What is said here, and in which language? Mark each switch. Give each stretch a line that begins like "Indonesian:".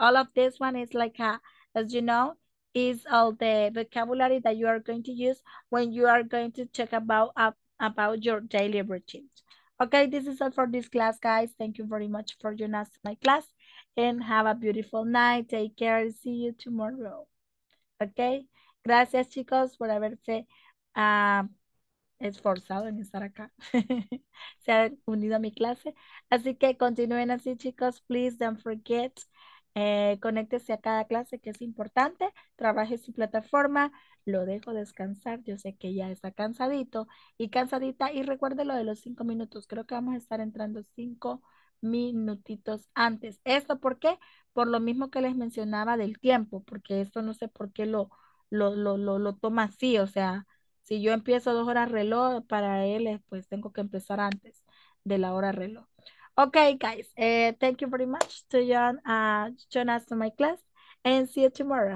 English: All of this one is like, as you know, is all the vocabulary that you are going to use when you are going to talk about your daily routines. Okay, this is all for this class, guys. Thank you very much for joining us in my class. And have a beautiful night. Take care. See you tomorrow. Okay?
Spanish: Gracias, chicos, por haberse esforzado en estar acá. Se han unido a mi clase. Así que continúen así, chicos.
English: Please don't forget.
Spanish: Conéctese a cada clase que es importante, trabaje su plataforma, lo dejo descansar, yo sé que ya está cansadito y cansadita, y recuerde lo de los 5 minutos, creo que vamos a estar entrando 5 minutitos antes. ¿Esto por qué? Por lo mismo que les mencionaba del tiempo, porque esto no sé por qué lo toma así, o sea, si yo empiezo 2 horas reloj, para él pues tengo que empezar antes de la hora reloj.
English: Okay, guys, thank you very much to John, join us in my class, and see you tomorrow.